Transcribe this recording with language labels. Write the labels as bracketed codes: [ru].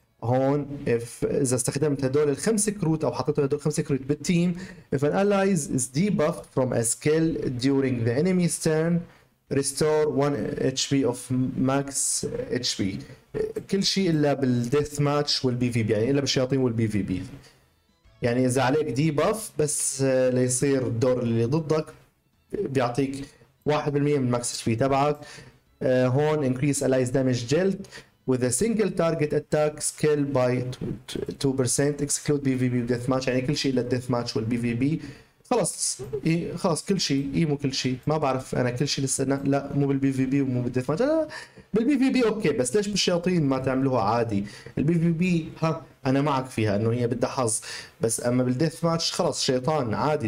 [ar] هون اذا استخدمت هدول ال5 كروت او حطيت هدول ال5 كروت بالتيم، [en] if an ally is debuffed from a skill during the enemy's turn restore 1 HP of max HP. [ar] كل شيء الا بالديث ماتش والبي في بي، يعني الا بالشياطين والبي في بي. يعني اذا عليك debuff بس ليصير الدور اللي ضدك بيعطيك 1% من ماكس HP تبعك. [en] هون increase allies damage dealt with a single target attack skill by 2% exclude PvP death match. [ar] يعني كل شيء الا الديث ماتش والبي في بي خلص. خلص كل شيء، ايمو كل شيء، ما بعرف انا كل شيء لسه. لا مو بالبي في بي ومو بالديث ماتش. بالبي في بي اوكي، بس ليش بالشياطين ما تعملوها عادي؟ البي في بي ها انا معك فيها انه هي بدها حظ، بس اما بالديث ماتش خلص شيطان عادي.